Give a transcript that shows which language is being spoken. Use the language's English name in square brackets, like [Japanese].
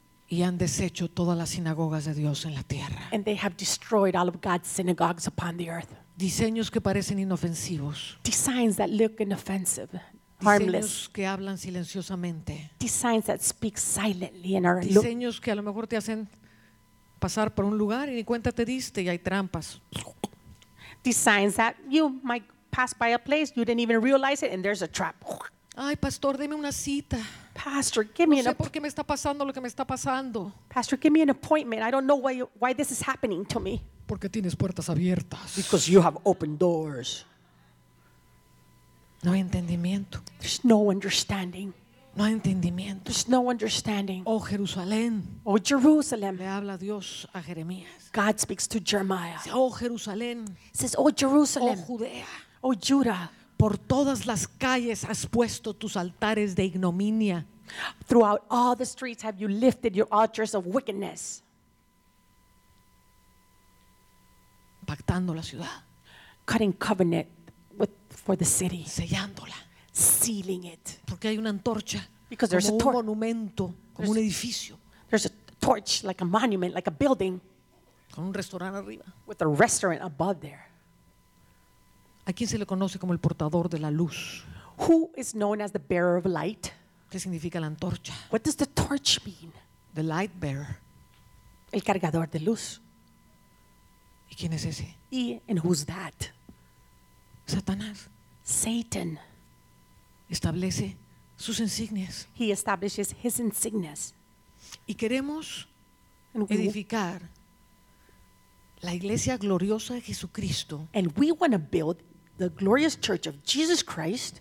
[Spanish] Y han deshecho todas las sinagogas de Dios en la tierra. [English] And they have destroyed all of God's synagogues upon the earth. [Spanish] Diseños que parecen inofensivos. [English] Designs that look inoffensive, harmless. [Spanish] Diseños que hablan silenciosamente. [English] Designs that speak silently and are. [Spanish] Diseños que a lo mejor te hacen pasar por un lugar y ni cuenta te diste y hay trampas. [English] Designs that you might pass by a place, you didn't even realize it, and there's a trap. [Spanish] Ay, pastor, deme una cita. [English] Pastor, give me [Spanish] an appointment. No sé por qué me está pasando lo que me está pasando. [English] Pastor, give me an appointment. I don't know why this is happening to me. [Spanish] Porque tienes puertas abiertas. [English] Because you have open doors. [Spanish] No hay entendimiento. [English] There's no understanding. [Spanish] No hay entendimiento. [English] There's no understanding. [Spanish] Oh, Jerusalén. [English] Oh, Jerusalem. [Spanish] Le habla Dios a Jeremías. [English] God speaks to Jeremiah. [Spanish] Oh, Jerusalén. [English] Says, oh, Jerusalem. [Spanish] Oh, Judea. [English] Oh, Judah. [Spanish] Por todas las calles has puesto tus altares de ignominia. [English] Throughout all the streets have you lifted your altars of wickedness. [Spanish] Pactando la ciudad. [English] Cutting covenant for the city. [Spanish] Sellándola. [English] Sealing it. [Spanish] Porque hay una antorcha. [English] Because there's [Spanish] como [English] a torch. [Spanish] Como un monumento, como un edificio. [English] There's a torch, like a monument, like a building. [Spanish] Con un restaurante arriba. [English] With a restaurant above there. [Spanish] ¿A quién se le conoce como el portador de la luz? [English] Who is known as the bearer of light? [Spanish] ¿Qué significa la antorcha? [English] What does the torch mean? The light bearer. [Spanish] El cargador de luz. ¿Y quién es ese? [English] And who's that? [Spanish] Satanás. [English] Satan. [Spanish] Establece sus insignias. [English] He establishes his insignias. [Spanish] Y queremos edificar la iglesia gloriosa de Jesucristo. [English] And we want to build the glorious church of Jesus Christ,